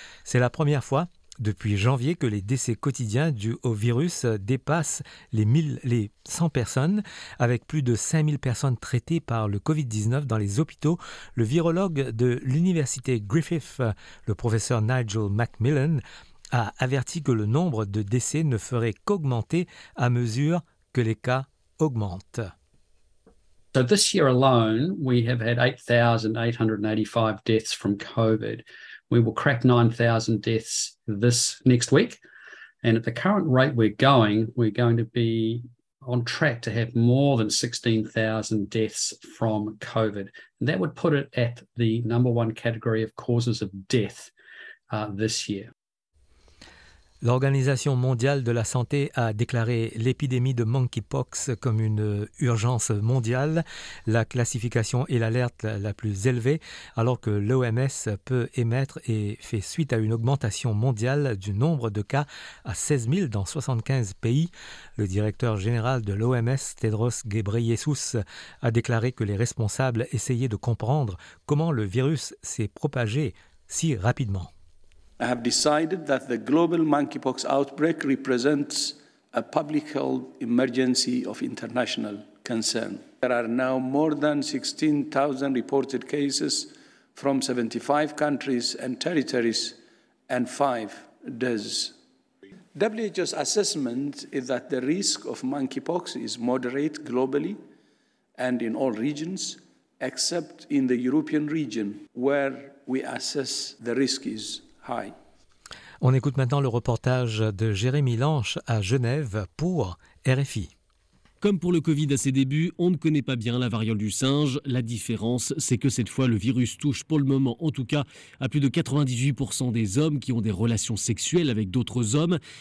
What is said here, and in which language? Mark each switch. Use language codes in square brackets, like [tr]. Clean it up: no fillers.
[fr] C'est la première fois depuis janvier que les décès quotidiens dus au virus dépassent les 100 personnes, avec plus de 5000 personnes traitées par le Covid-19 dans les hôpitaux. Le virologue de l'université Griffith, le professeur Nigel McMillan, a averti que le nombre de décès ne ferait qu'augmenter à mesure que les cas augmentent. [en] So this year alone, we have had 8,885 deaths from COVID. We will crack 9,000 deaths this next week. And at the current rate we're going to be on track to have more than 16,000 deaths from COVID. And that would put it at the number one category of causes of death this year. [fr] L'Organisation mondiale de la santé a déclaré l'épidémie de monkeypox comme une urgence mondiale. La classification est l'alerte la plus élevée, alors que l'OMS peut émettre et fait suite à une augmentation mondiale du nombre de cas à 16 000 dans 75 pays. Le directeur général de l'OMS, Tedros Ghebreyesus, a déclaré que les responsables essayaient de comprendre comment le virus s'est propagé si rapidement. [en] I have decided that the global monkeypox outbreak represents a public health emergency of international concern. There are now more than 16,000 reported cases from 75 countries and territories and 5 deaths. WHO's assessment is that the risk of monkeypox is moderate globally and in all regions, except in the European region, where we assess the risk is high. [fr] On écoute maintenant le reportage de Jérémy Lanche à Genève pour RFI. Comme pour le Covid à ses débuts, on ne connaît pas bien la variole du singe. La différence, c'est que cette fois, le virus touche pour le moment, en tout cas, à plus de 98% des hommes qui ont des relations sexuelles avec d'autres hommes.